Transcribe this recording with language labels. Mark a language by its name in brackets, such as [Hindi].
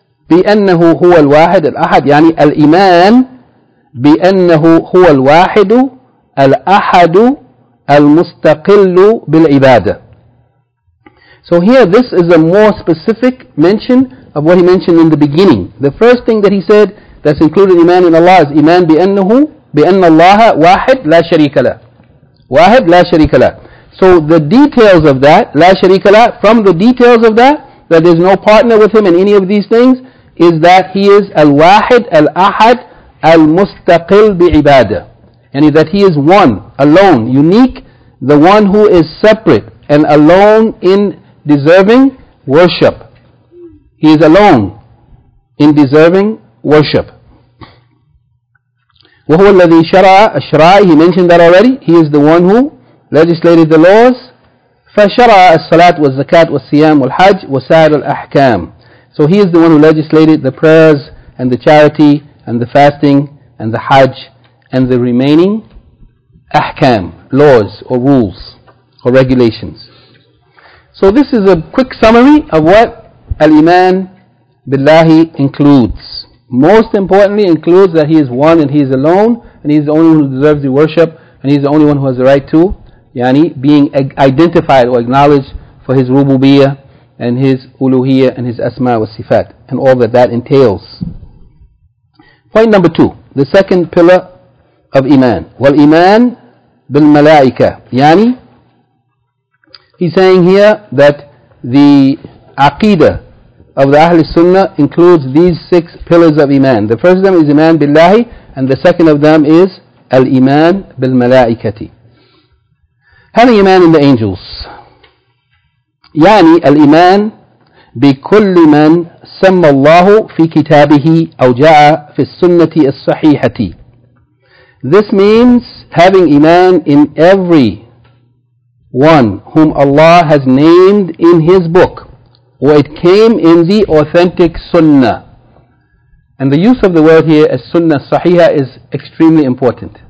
[Arabic] بأنه هو الواحد الأحد يعني الإيمان بأنه هو الواحد الأحد المستقل بالعبادة. [English] So here this is a more specific mention of what he mentioned in the beginning. The first thing that he said that's included in Iman in Allah is Iman [Arabic] بأنه بأن الله واحد لا شريك له. واحد لا شريك له. [English] So the details of that, [Arabic] لا شريك له, [English] from the details of that, that there's no partner with him in any of these things, is that he is [Arabic] الواحد الأحد المستقل بعبادة. [English] And that he is one, alone, unique, the one who is separate and alone in deserving worship. He is alone in deserving worship. [Arabic] وهو الذي شرع الشرع, [English] he mentioned that already. He is the one who legislated the laws. [Arabic] فشرع الصلاة والزكاة والصيام والحج وسائر الأحكام. [English] So he is the one who legislated the prayers and the charity and the fasting and the hajj and the remaining ahkam, laws or rules or regulations. So this is a quick summary of what al-Iman billahi includes. Most importantly includes that he is one and he is alone and he is the only one who deserves the worship and he is the only one who has the right to yani being identified or acknowledged for his rububiyyah and his uluhiyyah and his asma wa sifat and all that that entails. Point number two, the second pillar of Iman. [Arabic] وَالْإِيمَانِ بِالْمَلَائِكَةِ [English] يعني he's saying here that the aqidah of the Ahl Sunnah includes these six pillars of Iman. The first of them is Iman Billahi and the second of them is [Arabic] الإيمان بِالْمَلَائِكَةِ. [English] Having Iman in the angels [Arabic] يعني الإيمان بكل من سمى الله في كتابه أو جاء في السنة الصحيحة. [English] This means having Iman in every one whom Allah has named in His book, or it came in the authentic Sunnah. And the use of the word here, as Sunnah Sahiha, is extremely important.